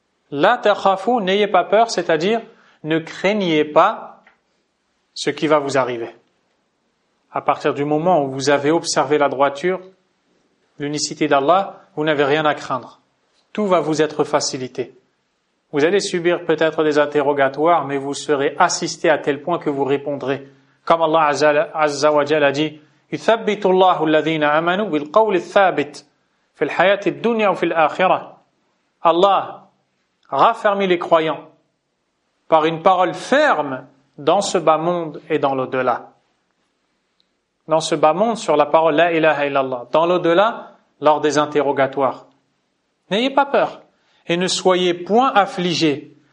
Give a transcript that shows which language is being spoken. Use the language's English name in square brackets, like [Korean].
[Arabic] La takhafu, [French] n'ayez pas peur, c'est-à-dire ne craignez pas ce qui va vous arriver. À partir du moment où vous avez observé la droiture, l'unicité d'Allah, vous n'avez rien à craindre. Tout va vous être facilité. Vous allez subir peut-être des interrogatoires, mais vous serez assisté à tel point que vous répondrez. Comme Allah Azza wa Jalla a dit, [Arabic] يُثَبِّتُ اللَّهُ الَّذِينَ آمَنُوا بِالْقَوْلِ الثَّابِتِ فِي الْحَيَاةِ الدُّنْيَا وَفِي الْآخِرَةِ. [French] Allah raffermit les croyants par une parole ferme dans ce bas monde et dans l'au-delà. Dans ce bas monde, sur la parole « [Arabic] La ilaha illallah [French] ». Dans l'au-delà, lors des interrogatoires. N'ayez pas peur et ne soyez point affligés.